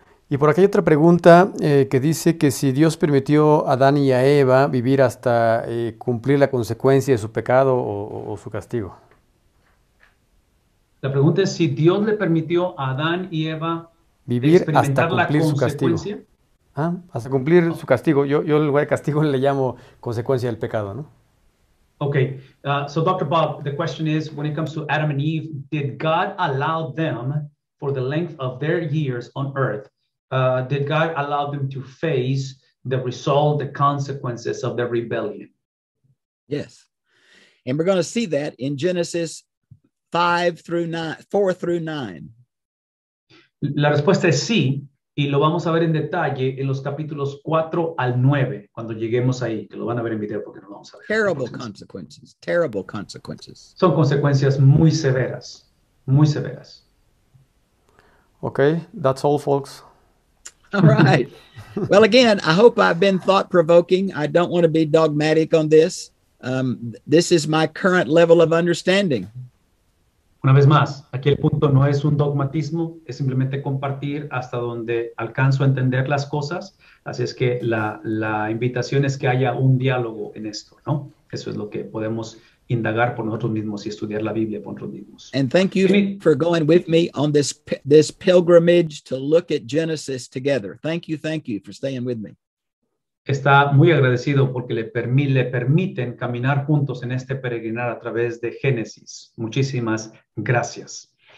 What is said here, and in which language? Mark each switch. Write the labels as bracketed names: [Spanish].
[Spanish] Y por aquí hay otra pregunta que dice que si Dios permitió a Adán y a Eva vivir hasta cumplir la consecuencia de su pecado o su castigo. La pregunta es si Dios le permitió a Adán y Eva vivir hasta cumplir su castigo. ¿Ah? Hasta cumplir su castigo. Yo el lugar de castigo le llamo consecuencia del pecado, ¿no? [English] Okay, so Dr. Bob, the question is, when it comes to Adam and Eve, did God allow them for the length of their years on earth? Did God allow them to face the result, the consequences of their rebellion? Yes, and we're going to see that in Genesis 4 through 9. [Spanish] La respuesta es sí, y lo vamos a ver en detalle en los capítulos 4 al 9, cuando lleguemos ahí, que lo van a ver en video porque no lo vamos a ver. [English] Terrible consequences, terrible consequences. [Spanish] Son consecuencias muy severas. muy severas. [English] Okay, that's all, folks. All right. Well, again, I hope I've been thought provoking. I don't want to be dogmatic on this. This is my current level of understanding. [Spanish] Una vez más, aquí el punto no es un dogmatismo, es simplemente compartir hasta donde alcanzo a entender las cosas. Así es que la invitación es que haya un diálogo en esto, ¿no? Eso es lo que podemos indagar por nosotros mismos y estudiar la Biblia por nosotros mismos. [English] And thank you for going with me on this pilgrimage to look at Genesis together. Thank you for staying with me. [Spanish] Está muy agradecido porque le permiten caminar juntos en este peregrinar a través de Génesis. Muchísimas gracias.